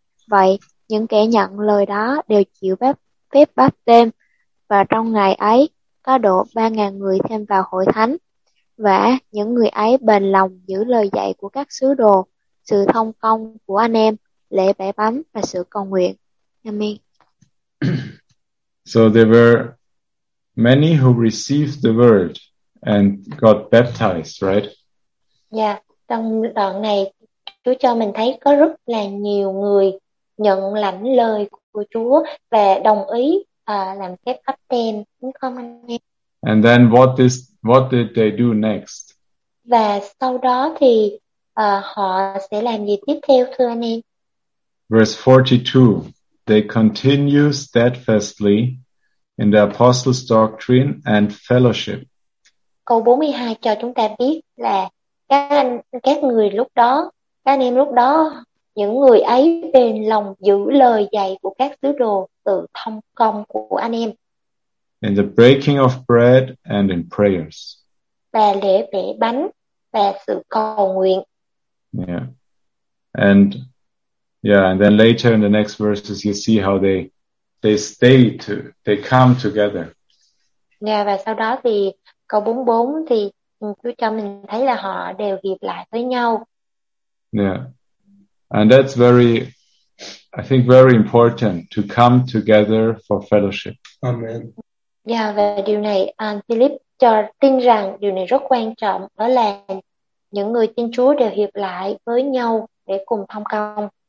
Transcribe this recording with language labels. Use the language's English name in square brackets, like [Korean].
[Vietnamese] Vậy những kẻ nhận lời đó đều chịu phép báp têm, và trong ngày ấy có độ 3.000 người thêm vào hội thánh. Và những người ấy bền lòng giữ lời dạy của các sứ đồ, sự thông công của anh em, lễ bẻ bánh và sự cầu nguyện. Amen. [English] So there were many who received the word and got baptized, right? [Vietnamese] Yeah, trong đoạn này Chúa cho mình thấy có rất là nhiều người nhận lãnh lời của Chúa và đồng ý làm phép báp têm, đúng không anh em? [English] And then what did they do next? [Vietnamese] Và sau đó thì họ sẽ làm gì tiếp theo thưa anh em? [English] Verse 42. They continue steadfastly in the apostles' doctrine and fellowship. [Vietnamese] Câu 42 cho chúng ta biết là các người lúc đó, các anh em lúc đó, những người ấy bền lòng giữ lời dạy của các sứ đồ, sự thông công của anh em. [English] In the breaking of bread and in prayers. [Vietnamese] Và lễ bẻ bánh và sự cầu nguyện. [English] Yeah. And then later in the next verses you see how they they come together. [Vietnamese] Yeah, và sau đó thì câu 44 thì Chúa cho mình thấy là họ đều hiệp lại với nhau. [English] Yeah. And that's very, I think, very important to come together for fellowship. Amen. [Vietnamese] Yeah, và điều này Philip cho tin rằng điều này rất quan trọng, đó là những người tin Chúa đều hiệp lại với nhau để cùng thông công.